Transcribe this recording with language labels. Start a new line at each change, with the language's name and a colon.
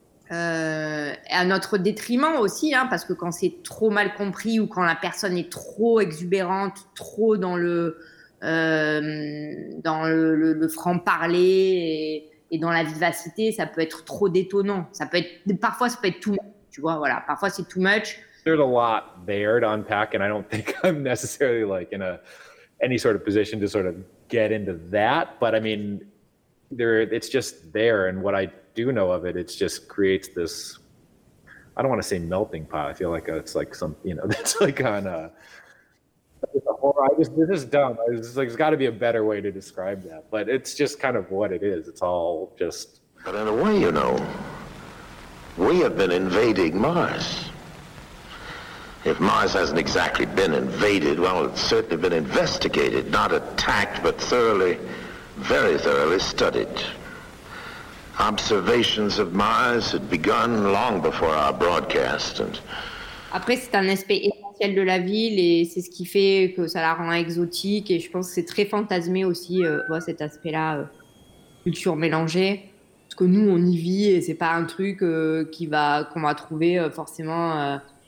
French: À notre détriment aussi, hein, parce que quand c'est trop mal compris ou quand la personne est trop exubérante, trop dans le franc-parler et dans la vivacité, ça peut être trop détonnant. Parfois, ça peut être
English: too much,
French: tu vois, voilà. Parfois, c'est
English: too much. There's a lot there to unpack, and I don't think I'm necessarily like in any sort of position to sort of get into that. But I mean, it's just there, and what I do know of it, it just creates this. I don't want to say melting pot. I feel like it's like some, you know, that's like on a. It's a horror. This is dumb. I was just like, it's got to be a better way to describe that. But it's just kind of what it is. It's all just. But in a way, you know, we have been invading Mars. If Mars hasn't exactly been invaded, well, it's certainly been investigated, not attacked, but thoroughly, very thoroughly studied. Observations of Mars had begun long before our broadcast. And
French: après, c'est un aspect essentiel de la ville et c'est ce qui fait que ça la rend exotique. Et je pense que c'est très fantasmé aussi, cet aspect-là, culture mélangée. Parce que nous, on y vit et c'est pas un truc qu'on va trouver forcément...